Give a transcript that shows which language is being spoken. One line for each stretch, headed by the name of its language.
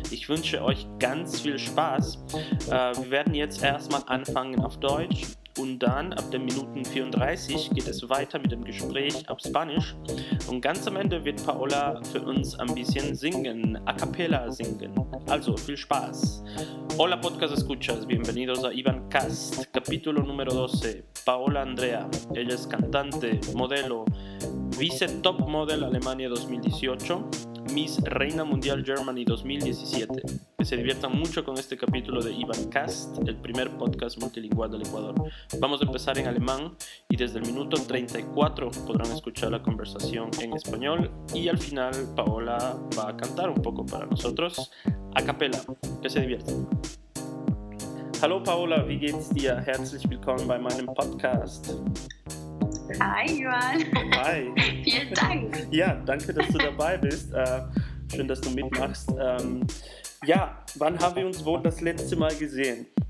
German: Ich wünsche euch ganz viel Spaß. Wir werden jetzt erstmal anfangen auf Deutsch. Und dann ab der Minuten 34 geht es weiter mit dem Gespräch auf Spanisch. Und ganz am Ende wird Paola für uns ein bisschen singen, a cappella singen. Also viel Spaß.
Spanish: Hola Podcast Escuchas, bienvenidos a IvanCast, capítulo número 12. Paola Andrea, ella es cantante, modelo, vice top model Alemania 2018, Miss Reina Mundial Germany 2017. Que se diviertan mucho con este capítulo de IvanCast, el primer podcast multilingüal del Ecuador. Vamos a empezar en alemán y desde el minuto 34 podrán escuchar la conversación en español y al final Paola va a cantar un poco para nosotros a capella. Que se diviertan.
German: Hallo Paola, wie geht's dir? Herzlich willkommen bei meinem Podcast.
English: Hi, Juan. Hi.
German: Vielen Dank. Ja, danke, dass du dabei bist. Schön, dass du mitmachst. Ja, wann haben wir uns wohl das letzte Mal gesehen?